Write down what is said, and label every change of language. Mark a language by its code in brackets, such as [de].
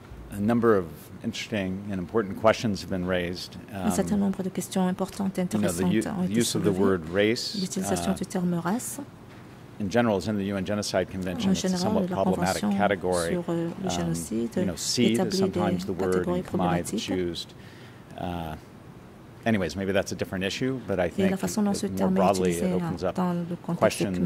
[en] A number of interesting and important questions have been raised. [fr] Un certain nombre de questions importantes et intéressantes ont été soulevées. [en] The use of the word race. [fr] L'utilisation du terme race. [en] In general, as in the UN Genocide Convention, [fr] en général, [en] it's a somewhat problematic category. [fr] Sur le génocide, [en] seed is sometimes the word in Khmer that's used. Anyways, maybe that's a different issue, but I think more broadly it opens up questions